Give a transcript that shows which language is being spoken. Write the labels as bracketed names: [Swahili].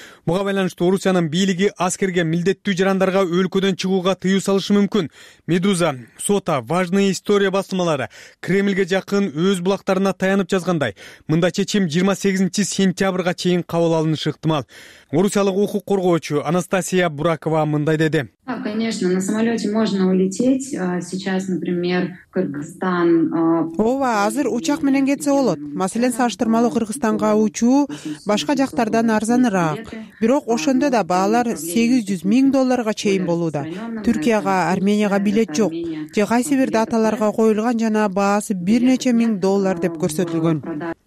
[Kyrgyz] Буга байланыштуу Орусиянын бийлиги аскерге милдеттүү жарандарга өлкөдөн чыгууга тыюу салышы мүмкүн. Медуза, Сота, Важная история басылмалары Кремльге жакын өз булактарына таянып жазгандай, мындай чечим 28 сентябрга чейин кабыл алынышы ыктымал. Орусиялык укук коргоочу Анастасия Буракова мындай деди. [Russian] Конечно, на самолете можно улететь. Сейчас, например, Кыргызстан. [Kyrgyz] Ооба, азыр учак менен кетсе болот. Маселен, салыштырмалуу Кыргызстанга учуу башка жактардан арзаныраак. Бирок ошондо да баалар 800 000 долларга чейин болууда. Түркияга, Арменияга билет жок. Же кайсы бир даталарга коюлган жана баасы бир нече миң доллар деп көрсөтүлгөн.